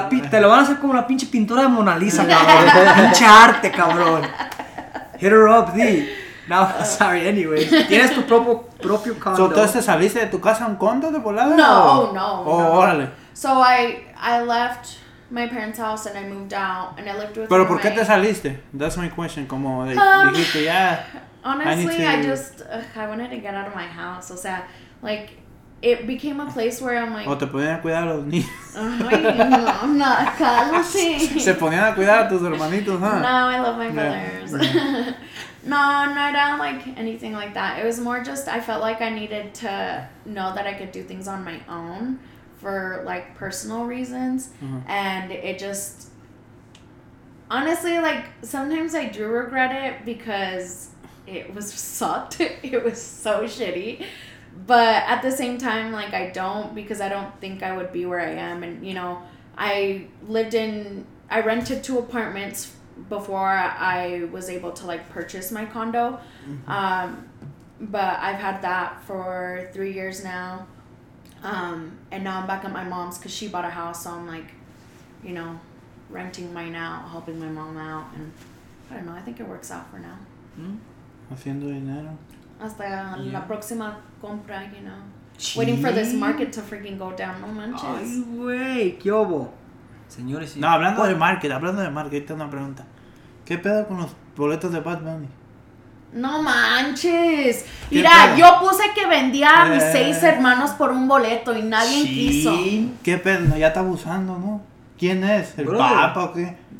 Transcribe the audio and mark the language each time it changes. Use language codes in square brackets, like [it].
[es] Te lo van a hacer como la pinche pintura de Mona Lisa, cabrón. Pinche arte, cabrón. [en] Hit her up, D. [es] No, [en] sorry, anyway. [es] Tienes tu propio condo. ¿Entonces te saliste de tu casa un condo de volada? No. Órale. [en] So I left my parents' house and I moved out and I lived with. [es] Pero ¿por qué te saliste? [en] That's my question. [es] Como de, dijiste, yeah. [en] Honestly, I wanted to get out of my house. [es] O sea, [en] like, it became a place where I'm like. [es] O te ponían a cuidar a los niños. [en] Ay, no, I'm not [es] cálmate. Se ponían a cuidar a tus hermanitos, ¿no? [en] No, I love my brothers. No, no, I don't like anything like that. It was more just I felt like I needed to know that I could do things on my own. For, like, personal reasons. Mm-hmm. And it just... Honestly, like, sometimes I do regret it because it was sucked. It was so shitty. But at the same time, like, I don't because I don't think I would be where I am. And, you know, I rented two apartments before I was able to, like, purchase my condo. Mm-hmm. But I've had that for 3 years now. And now I'm back at my mom's because she bought a house, so I'm like, you know, renting mine out, helping my mom out, and I don't know, I think it works out for now. [es] Mm-hmm. Haciendo dinero. Hasta la próxima compra, [en] you know. [es] Sí. [en] Waiting for this market to freaking go down, [es] no manches. Ay, güey, ¿qué hubo? Señores, no, hablando de market, esta es una pregunta. ¿Qué pedo con los boletos de Bad Bunny? No manches. Mira, yo puse que vendía a mis 6 hermanos por un boleto y nadie quiso. ¿Qué pedo? Ya está abusando, ¿no? ¿Quién es? ¿El Papa o qué?